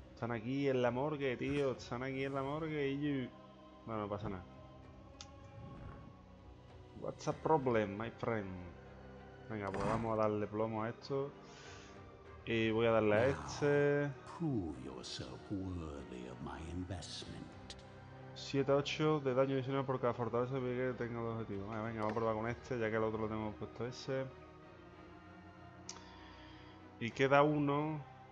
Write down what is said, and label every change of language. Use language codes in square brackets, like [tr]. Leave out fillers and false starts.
[es] Están aquí en la morgue, tío. Están aquí en la morgue y yo. Bueno, no pasa nada. [en] What's the problem, my friend? [es] Venga, pues vamos a darle plomo a esto. Y voy a darle a este. [en] Prove yourself worthy of my investment. [es] 7 a 8 de daño adicional por cada fortaleza que tenga el objetivo. Venga, venga, vamos a probar con este, ya que el otro lo tenemos puesto ese. Y queda uno.